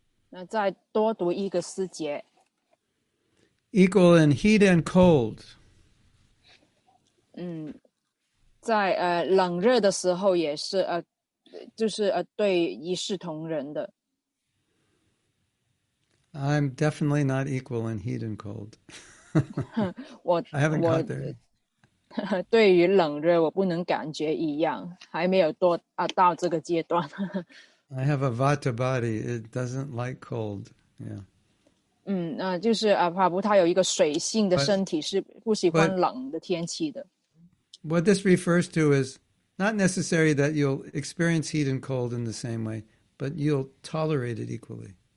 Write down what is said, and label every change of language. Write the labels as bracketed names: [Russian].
[Chinese] 那再多读一个四节. [English] Equal in heat and cold. [Chinese] 在冷热的时候也是，就是对一视同仁的. [English] I'm definitely not equal in heat and cold. [Chinese] 我, [English] I haven't got there. [Chinese] 对于冷热，我不能感觉一样，还没有到这个阶段。I [English] have a vata body; it doesn't like cold. Yeah. [Chinese] 那就是帕布他有一个水性的身体，是不喜欢冷的天气的。 [English] What this refers to is not necessary that you'll experience heat and cold in the same way, but you'll tolerate it equally.